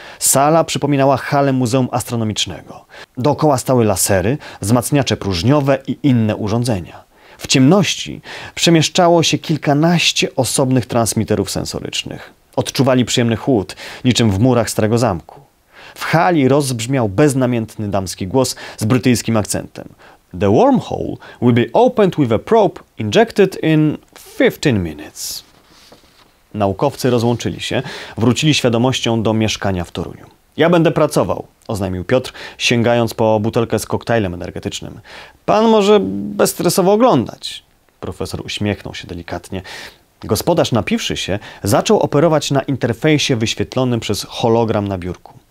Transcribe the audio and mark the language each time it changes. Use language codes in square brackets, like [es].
[pl] Sala przypominała halę Muzeum Astronomicznego. Dookoła stały lasery, wzmacniacze próżniowe i inne urządzenia. W ciemności przemieszczało się kilkanaście osobnych transmitterów sensorycznych. Odczuwali przyjemny chłód, niczym w murach starego zamku. W hali rozbrzmiał beznamiętny damski głos z brytyjskim akcentem. [en] The wormhole will be opened with a probe injected in 15 minutes. [pl] Naukowcy rozłączyli się, wrócili świadomością do mieszkania w Toruniu. Ja będę pracował, oznajmił Piotr, sięgając po butelkę z koktajlem energetycznym. Pan może bezstresowo oglądać. Profesor uśmiechnął się delikatnie. Gospodarz, napiwszy się, zaczął operować na interfejsie wyświetlonym przez hologram na biurku.